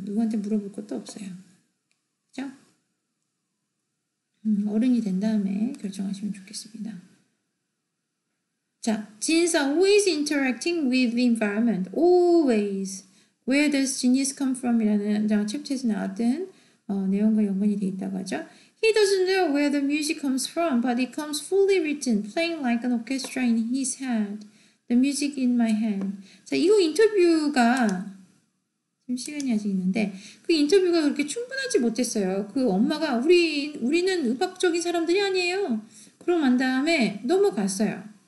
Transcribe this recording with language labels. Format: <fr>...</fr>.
<ko>누구한테 물어볼 것도 없어요. 그렇죠? 어른이 된 다음에 결정하시면 좋겠습니다.</ko> <en>자, genes are always interacting with the environment. Always. Where does genes come from?</en> <ko>이라는 챕터에서 나왔던 내용과 연관이 되어 있다고 하죠.</ko> <en>He doesn't know where the music comes from, but it comes fully written, playing like an orchestra in his head. The music in my hand.</en> <ko>자, 이거 인터뷰가 지금 시간이 아직 있는데 그 인터뷰가 그렇게 충분하지 못했어요. 그 엄마가 우리는 음악적인 사람들이 아니에요. 그러고 난 다음에 넘어갔어요.</ko>